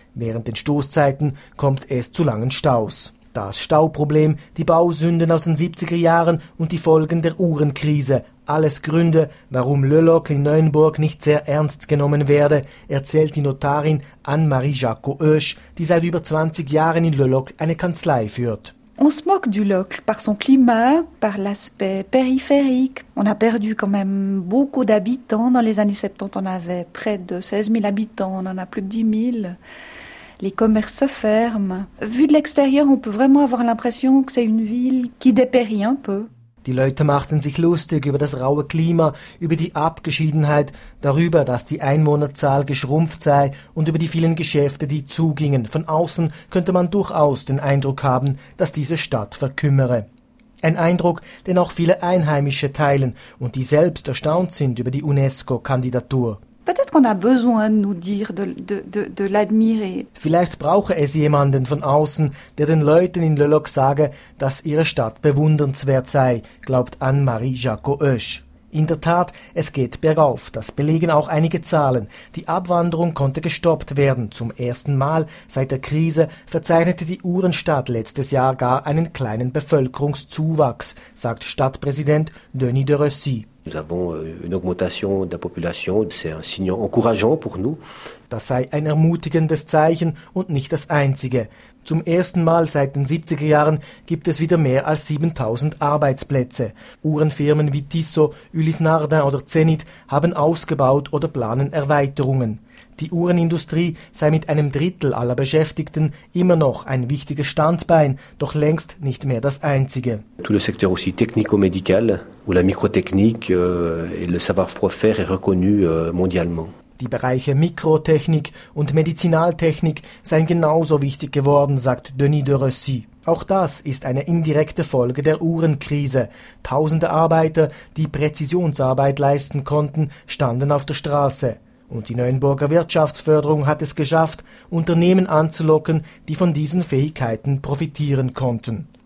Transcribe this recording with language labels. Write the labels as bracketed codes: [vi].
[de] Während den Stoßzeiten kommt es zu langen Staus. Das Stauproblem, die Bausünden aus den 70er Jahren und die Folgen der Uhrenkrise – alles Gründe, warum Lölockl in Neuenburg nicht sehr ernst genommen werde, erzählt die Notarin Anne-Marie Jacot-Oesch, die seit über 20 Jahren in Lölockl eine Kanzlei führt. [fr] On se moque du Lölockl par son climat, par l'aspect périphérique. On a perdu quand même beaucoup d'habitants. Dans les années 70, on avait près de 16.000 habitants, on en a plus de 10.000. Les commerces se ferment. Vu de l'extérieur, on peut vraiment avoir l'impression que c'est une ville qui dépérit un peu. [de] Die Leute machten sich lustig über das raue Klima, über die Abgeschiedenheit, darüber, dass die Einwohnerzahl geschrumpft sei und über die vielen Geschäfte, die zugingen. Von außen könnte man durchaus den Eindruck haben, dass diese Stadt verkümmere. Ein Eindruck, den auch viele Einheimische teilen und die selbst erstaunt sind über die UNESCO-Kandidatur. [fr] Peut-être qu'on a besoin de nous dire de l'admirer. [de] Vielleicht brauche es jemanden von außen, der den Leuten in Lölockl sage, dass ihre Stadt bewundernswert sei, glaubt Anne-Marie Jacot-Oesch. In der Tat, es geht bergauf. Das belegen auch einige Zahlen. Die Abwanderung konnte gestoppt werden. Zum ersten Mal seit der Krise verzeichnete die Uhrenstadt letztes Jahr gar einen kleinen Bevölkerungszuwachs, sagt Stadtpräsident Denis de Rossy. [fr] Nous avons une augmentation de la population, c'est un signe encourageant pour nous. [de] Das sei ein ermutigendes Zeichen und nicht das einzige. Zum ersten Mal seit den 70er Jahren gibt es wieder mehr als 7000 Arbeitsplätze. Uhrenfirmen wie Tissot, Ulysse Nardin oder Zenith haben ausgebaut oder planen Erweiterungen. Die Uhrenindustrie sei mit einem Drittel aller Beschäftigten immer noch ein wichtiges Standbein, doch längst nicht mehr das einzige. [fr] Tout le secteur aussi technico-médical où la microtechnique et le savoir-faire est reconnu mondialement. [de] Die Bereiche Mikrotechnik und Medizinaltechnik seien genauso wichtig geworden, sagt Denis de Rossy. Auch das ist eine indirekte Folge der Uhrenkrise. Tausende Arbeiter, die Präzisionsarbeit leisten konnten, standen auf der Straße. Und die Neuenburger Wirtschaftsförderung hat es geschafft, Unternehmen anzulocken, die von diesen Fähigkeiten profitieren konnten.